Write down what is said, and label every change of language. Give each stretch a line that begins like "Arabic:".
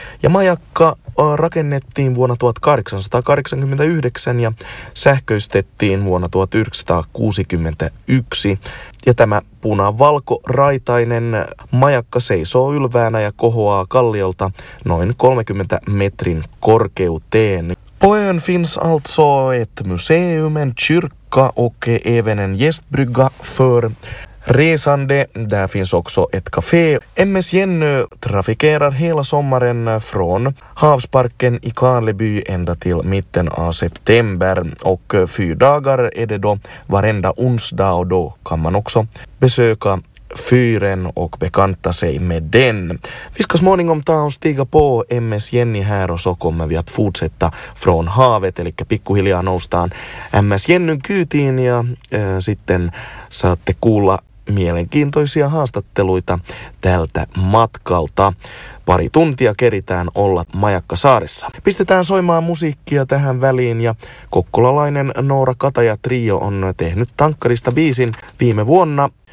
Finnish: Ja majakka rakennettiin vuonna 1889 ja sähköistettiin vuonna 1961. Ja tämä punavalkoraitainen majakka seisoo ylväänä ja kohoaa kalliolta noin 30 metrin korkeuteen.
Swedish: På ön finns alltså ett museum, en kyrka och även en gästbrygga för resande. Där finns också ett café. MS Jenny trafikerar hela sommaren från havsparken i Karleby ända till mitten av september. Och 4 dagar är det då varenda onsdag och då kan man också besöka fyren och bekanta sig med den. Vi ska småningom ta och stiga på MS Jenny här och så kommer vi att fortsätta från havet.
Finnish: Eli pikkuhiljaa noustaan MS Jennyn kyytiin ja sitten saatte kuulla mielenkiintoisia haastatteluita tältä matkalta. Pari tuntia keritään olla Majakkasaarissa. Pistetään soimaan musiikkia tähän väliin ja kokkolalainen Noora Kataja Trio on tehnyt tankkarista biisin viime vuonna.